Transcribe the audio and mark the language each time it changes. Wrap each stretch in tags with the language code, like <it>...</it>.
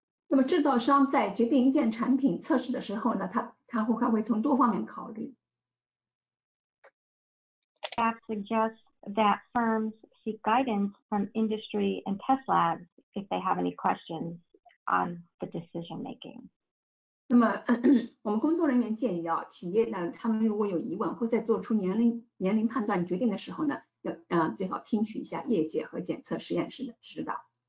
<zh>那么制造商在决定一件产品测试的时候呢，他会从多方面考虑。</zh> <en>Staff suggests that firms seek guidance from industry and test labs if they have any questions on the decision making.</en> <zh>那么我们工作人员建议啊，企业呢，他们如果有疑问或在做出年龄判断决定的时候呢，要最好听取一下业界和检测实验室的指导。</zh>